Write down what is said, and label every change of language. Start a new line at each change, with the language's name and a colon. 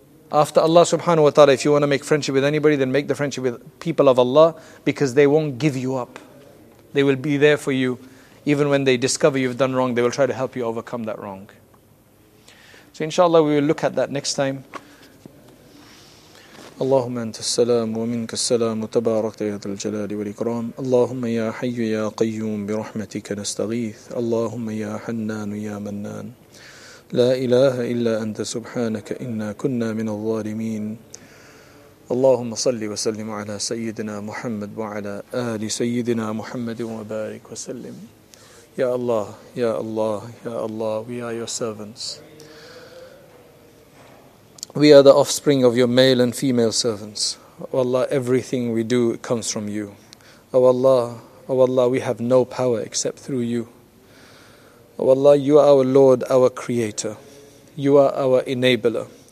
English: After Allah subhanahu wa ta'ala, if you want to make friendship with anybody, then make the friendship with people of Allah, because they won't give you up. They will be there for you. Even when they discover you've done wrong, they will try to help you overcome that wrong. So inshallah, we will look at that next time.
Arabic: اللهم أنت السلام ومنك السلام تباركت يا ذا الجلال والإكرام اللهم يا حي يا قيوم برحمتك نستغيث اللهم يا حنان يا منان لا إله إلا أنت سبحانك إنا كنا من الظالمين اللهم صل وسلم على سيدنا محمد وعلى آل سيدنا محمد وبارك وسلم يا الله يا الله يا الله we are your servants.
English: We are the offspring of your male and female servants. Oh Allah, everything we do comes from you. Oh Allah, we have no power except through you. Oh Allah, you are our Lord, our Creator. You are our enabler.